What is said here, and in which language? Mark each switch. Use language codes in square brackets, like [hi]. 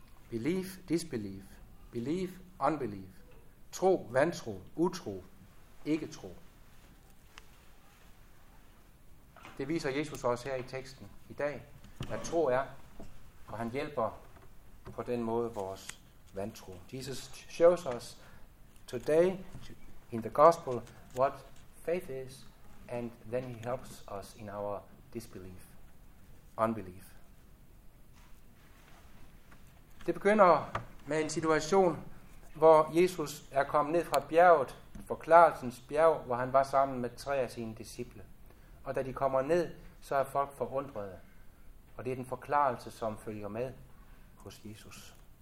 [en] Belief, disbelief. Belief, unbelief. [da] Tro, vantro, utro, ikke tro. Det viser Jesus også her i teksten i dag, hvad tro er, og han hjælper på den måde vores vantro. [en] Jesus shows us today in the gospel what faith is. And then he helps us in our disbelief, unbelief. [da] Det begynder med en situation, hvor Jesus er kommet ned fra bjerget, forklarelsens bjerg, hvor han var sammen med tre af sine disciple. Og da de kommer ned, så er folk forundrede. Og det er den forklarelse, som følger med hos Jesus.